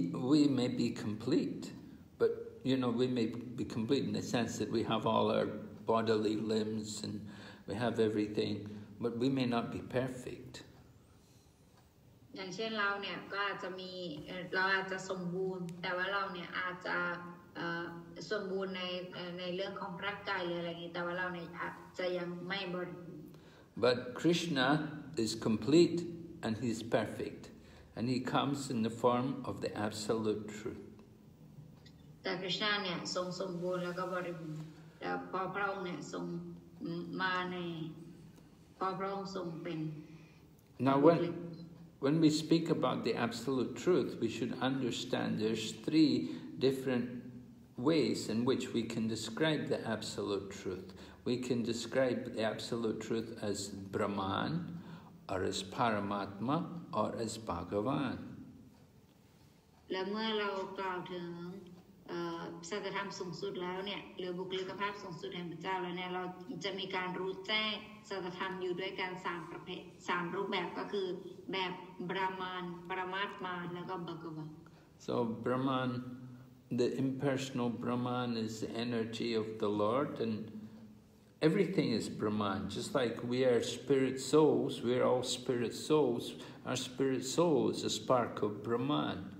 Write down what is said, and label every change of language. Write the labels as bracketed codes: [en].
[en] We may be complete but you know we may be complete in the sense that we have all our bodily limbs and we have everything but we may not be perfect [th] อย่างเช่นเราเนี่ยก็อาจจะมีเราอาจจะสมบูรณ์แต่ว่าเราเนี่ยอาจจะสมบูรณ์ในเรื่องของร่างกายหรืออะไรอย่างนี้แต่ว่าเราเนี่ยจะยังไม่บริบูรณ์ [en] But Krishna is complete and he is perfect and he comes in the form of the absolute truth [th] แต่ Krishna เนี่ยทรงสมบูรณ์แล้วก็บริบูรณ์แล้วพอพระองค์เนี่ยทรงมาในพอพระองค์ทรงเป็น [en] Now when we speak about the absolute truth we should understand there's three different ways in which we can describe the absolute truth. We can describe the absolute truth as Brahman, or as Paramatma, or as Bhagavan. [th] และเมื่อเรากล่าวถึง สัจธรรมสูงสุดแล้วเนี่ยหรือบุคลิกภาพสูงสุดแห่งพระเจ้าแล้วเนี่ยเราจะมีการรู้แจ้งสัจธรรมอยู่ด้วยกัน3ประเภท3รูปแบบก็คือแบบบรามานปรมาตมานแล้วก็บากวะ [en] So Brahman the impersonal Brahman is the energy of the Lord andEverything is Brahman, just like we are spirit souls, we are all spirit souls. Our spirit soul is a spark of Brahman.